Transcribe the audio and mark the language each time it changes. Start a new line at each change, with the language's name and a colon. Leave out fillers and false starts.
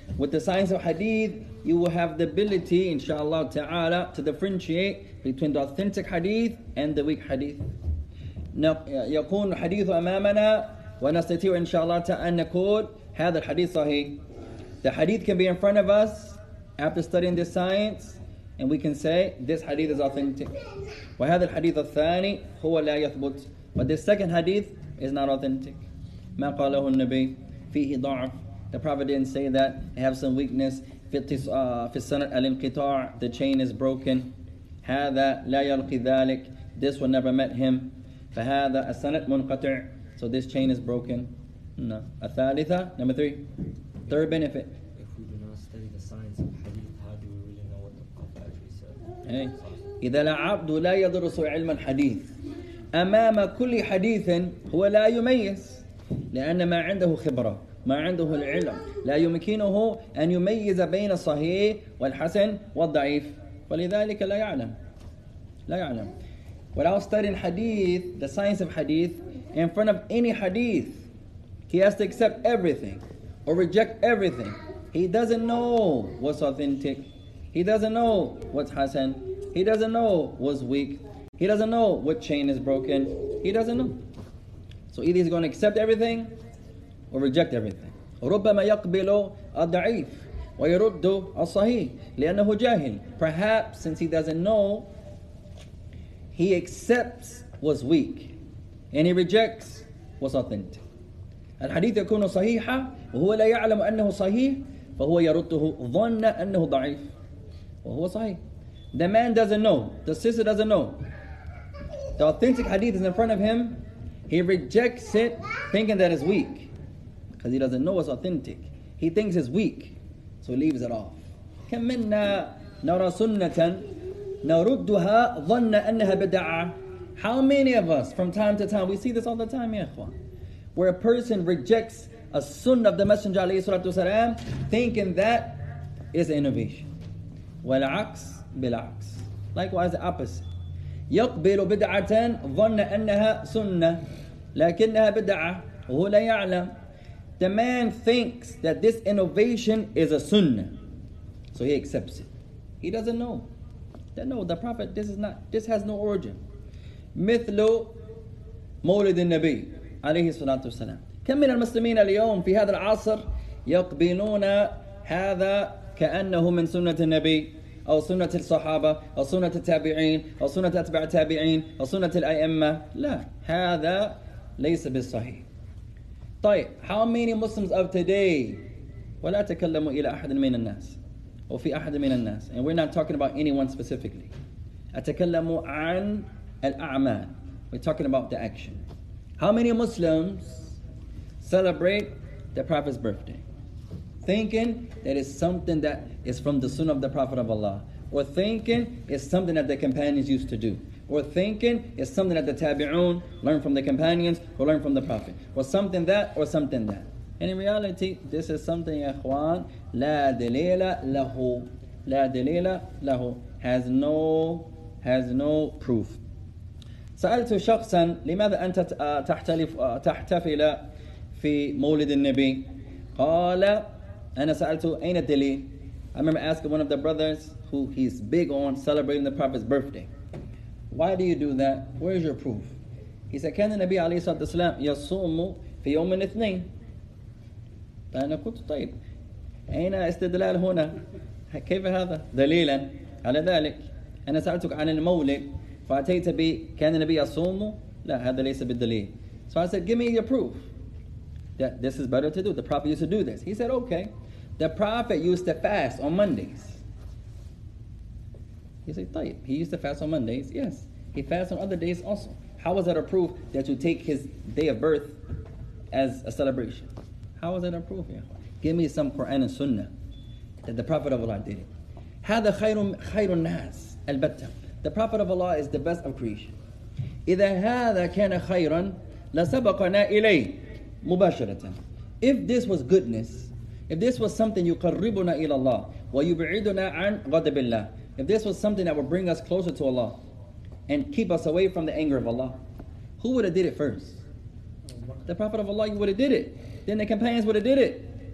English: With the science of hadith, you will have the ability, inshallah ta'ala, to differentiate between the authentic hadith and the weak hadith.
Arabic: يكون الحديث أمامنا ونستطيع inshallah ta'ala أن نقول هذا الحديث صحيح.
English: The hadith can be in front of us after studying this science, and we can say this hadith is authentic.
Arabic: وهذا الحديث الثاني هو لا يثبت.
English: But this second hadith is not authentic.
Arabic: ما قاله النبي فيه ضعف.
English: The Prophet didn't say that. It has some weakness.
Arabic: في السنة الانقطاع,
English: the chain is broken.
Arabic: هذا لا يلقي ذلك.
English: This will never met him.
Arabic: فهذا السنة منقطع.
English: So this chain is broken. No.
Arabic: الثالثة,
English: number three. Third benefit. If we do not study the science of hadith, how do we really know what the Prophet actually said?
Arabic: إذا العبد لا يدرس علم الحديث أمام كل حديث هو لا يميز لأن ما عنده خبرة ما عنده العلم لا يمكنه أن يميز بين الصحيح والحسن والضعيف ولذلك لا يعلم لا يعلم.
English: Without studying hadith, the science of hadith, in front of any hadith, he has to accept everything or reject everything. He doesn't know what's authentic. He doesn't know what's hasan. He doesn't know what's weak. He doesn't know what chain is broken. He doesn't know. So either he's going to accept everything or reject everything.
Arabic: ربما يقبل الضعيف ويرد الصحيح لأنه جاهل.
English: Perhaps since he doesn't know, he accepts what's weak and he rejects what's authentic.
Arabic: الحديث يكون صحيحا وهو لا يعلم أنه صحيح فهو يرده ظن أنه ضعيف وهو صحيح.
English: The man doesn't know. The sister doesn't know. The authentic hadith is in front of him. He rejects it thinking that it's weak because he doesn't know it's authentic. He thinks it's weak, so he leaves it off.
Arabic: كم منا نرى سنة نردها ظن أنها بدعة.
English: How many of us from time to time, we see this all the time, ya ikhwan, where a person rejects a sunnah of the Messenger alayhi salatu wasalam, thinking that is innovation.
Arabic: Wal'aks bil'aks.
English: Likewise, the opposite.
Arabic: يَقْبِلُ بِدْعَةً ظَنَّ أَنَّهَا سُنَّةً لَكِنَّهَا بِدْعَةً وَهُ لَا يَعْلَمُ.
English: The man thinks that this innovation is a sunnah, so he accepts it. He doesn't know. That no, the Prophet, this is not, this has no origin.
Arabic: مِثْلُ مَوْلِدِ النَّبِي عَلَيْهِ الصَّلَاةُ وَالسَّلَامُ. كَمْ مِنَ الْمُسْلِمِينَ الْيَوْمَ فِي هَذَا الْعَصْرِ يَقْبِلُونَ هَذَا كَأَنَّهُ مِنْ سُنَّةِ النَّبِيِّ أو سنة الصحابة أو سنة التابعين أو سنة أتباع التابعين أو سنة الأئمة. لا, هذا ليس بالصحيح.
English: طيب, how many Muslims of today,
Arabic: ولا تكلموا إلى أحد من الناس
English: أو في أحد من الناس, and we're not talking about anyone specifically,
Arabic: أتكلموا عن الأعمال,
English: we're talking about the action. How many Muslims celebrate the Prophet's birthday thinking that it's something that is from the sunnah of the Prophet of Allah, or thinking it's something that the companions used to do, or thinking it's something that the tabi'un learned from the companions or learned from the Prophet, or something that, or something that. And in reality, this is something, ya ikhwan,
Arabic: la dalila lahu, la dalila lahu,
English: has no proof.
Arabic: سألت شخصا لماذا أنت تحتفل في مولد النبي قال أنا سألت أين الدليل.
English: I remember asking one of the brothers who he's big on celebrating the Prophet's birthday, why do you do that? Where is your proof? He said,
Arabic: كان النبي عليه الصلاة والسلام يصوم في يوم الاثنين. فأنا قلت طيب, أين استدلال هنا؟ كيف هذا؟ دليلا على ذلك. أنا سألتك عن المولد فأتيت بي كان النبي يصوم. لا, هذا ليس بالدليل.
English: So I said, give me your proof that this is better to do. The Prophet used to do this. He said, okay. The Prophet used to fast on Mondays. He said, طيب, he used to fast on Mondays. Yes, he fasted on other days also. How was that a proof that you take his day of birth as a celebration? How was that a proof? Yeah. Give me some Quran and Sunnah that the Prophet of Allah did it.
Arabic: هذا خير الناس البتة.
English: The Prophet of Allah is the best of creation.
Arabic: إذا هذا كان خيرا لسبقنا إليه مباشرة.
English: If this was goodness, if this was something
Arabic: يقربنا إلى الله ويبعدنا عن غضب الله,
English: if this was something that would bring us closer to Allah and keep us away from the anger of Allah, who would have did it first? The Prophet of Allah would have did it. Then the companions would have did it.